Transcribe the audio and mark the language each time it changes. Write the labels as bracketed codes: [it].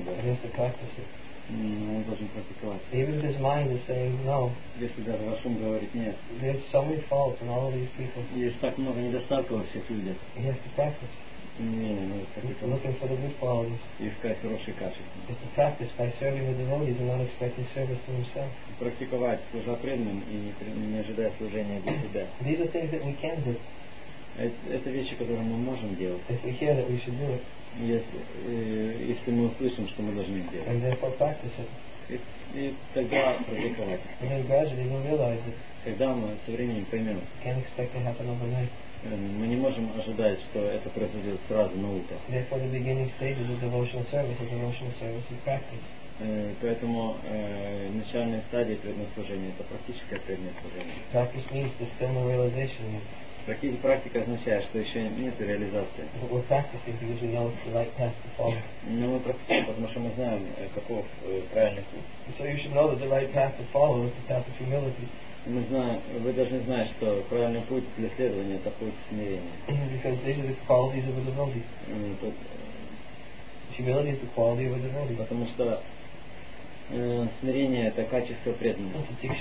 [ru] Он должен практиковать. [en] Even if his mind is saying no. [ru] Если даже ваш ум говорит нет. [en] There's so many faults in all of these people. [ru] Есть так много недостатков во всех людях. [en] He has to practice. Looking for the good qualities. [ru] Искать хорошие качества. [en] He has to practice by serving the devotees and not expecting service to himself. [ru] Практиковать, служа преданным и не ожидая служения для себя. [en] These are things that we can do. [ru] Это вещи, которые мы можем делать. [en] If we hear that we should do it. [ru] Если мы услышим, что мы должны делать. [en] And therefore practice it. [ru] И тогда практиковать. [en] And then gradually we'll realize it. [ru] Когда мы со временем поймем. [en] Can't expect to happen overnight. [ru] Мы не можем ожидать, что это произойдет сразу на утро. [en] Therefore the beginning stages of devotional service is devotional service and practice. [ru] Поэтому начальная стадия преданного служения — это практическое преданное служение. [en] Practice means the external realization. [ru] Практика означает, что еще нет реализации. [en] But we're practicing because we know the right path to follow. [ru] Но мы практикуем, потому что мы знаем, каков правильный путь. [en] So you should know that the right path to follow is the path of humility. [ru] Мы знаем, вы должны знать, что правильный путь для следования это путь смирения. [en] Humility is the quality of a devotee. [ru] Потому что смирение это качество преданности.